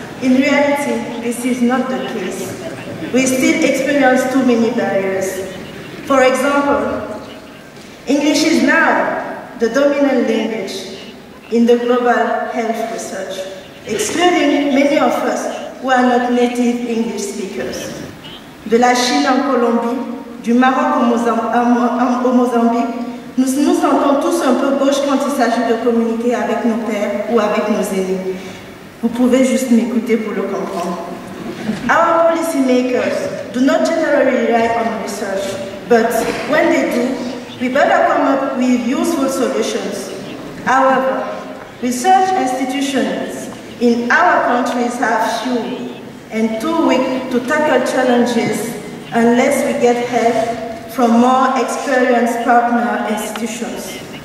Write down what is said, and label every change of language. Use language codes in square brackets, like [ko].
[en] In reality, this is not the case. We still experience too many barriers. For example, English is now the dominant language in the global health research, excluding many of us who are not native English speakers. [fr] De la Chine en Colombie, du Maroc au Mozambique, nous nous sentons tous un peu gauche quand il s'agit de communiquer avec nos pères ou avec nos aînés. Vous pouvez juste m'écouter pour le comprendre. [en] Our policymakers do not generally rely on research, but when they do, we better come up with useful solutions. However, research institutions in our countries have few and too weak to tackle challenges unless we get help from more experienced partner institutions.